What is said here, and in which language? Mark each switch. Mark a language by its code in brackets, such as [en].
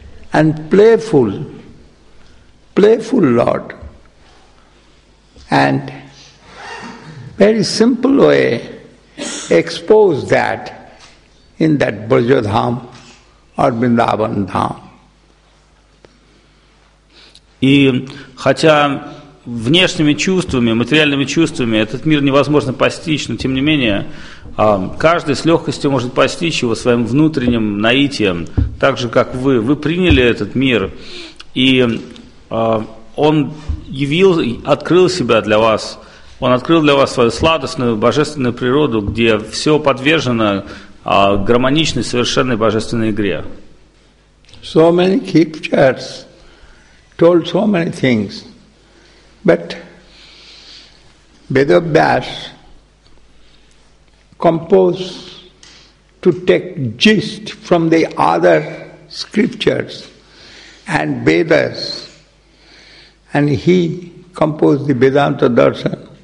[en] And playful, playful Lord, and very simple way expose that in that Brajadham or Vrindavan Dham. [ru] И хотя внешними чувствами, материальными чувствами этот мир невозможно постичь, но тем не менее каждый с легкостью может постичь его своим внутренним наитием, так же, как вы. Вы приняли этот мир, и он явил, открыл себя для вас. Он открыл для вас свою сладостную, божественную природу, где все подвержено гармоничной, совершенной божественной игре. [en] So many scriptures told so many things, but Vedavyas composed to take gist from the other scriptures and Vedas, and he composed the Vedanta Darshan,